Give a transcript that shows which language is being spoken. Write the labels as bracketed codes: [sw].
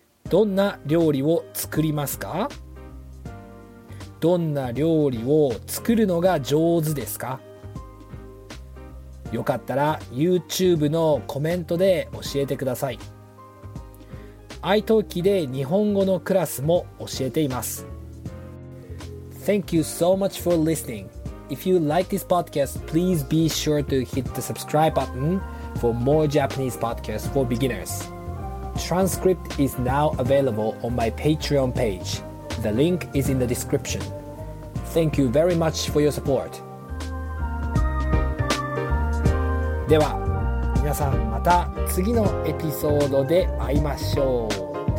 [ja] どんな料理を作りますか？どんな料理を作るのが上手ですか？よかったら YouTube のコメントで教えてください。 iTalkiで日本語のクラスも教えています。 [en] Thank you so much for listening. If you like this podcast, please be sure to hit the subscribe button for more Japanese podcasts for beginners. Transcript is now available on my Patreon page. The link is in the description. Thank you very much for your support. [ja] では、皆さんまた次のエピソードで会いましょう。